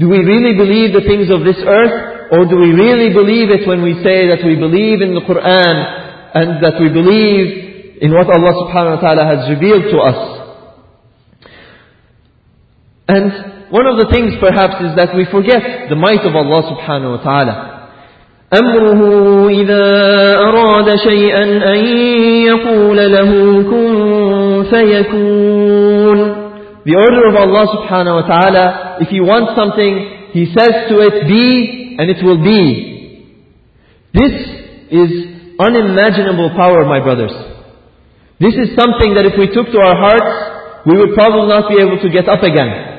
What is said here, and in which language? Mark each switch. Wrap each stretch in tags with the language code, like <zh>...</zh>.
<en>Do we really believe the things of this earth? Or do we really believe it when we say that we believe in the Qur'an and that we believe in what Allah subhanahu wa ta'ala has revealed to us? And one of the things perhaps is that we forget the might of Allah subhanahu wa ta'ala.</en> <ar>أَمْرُهُ إِذَا أَرَادَ شَيْئًا أَن يَقُولَ لَهُ كُنْ فَيَكُونَ.</ar> <en>The order of Allah subhanahu wa ta'ala, if he wants something, he says to it, be, and it will be. This is unimaginable power, my brothers. This is something that if we took to our hearts, we would probably not be able to get up again.</en>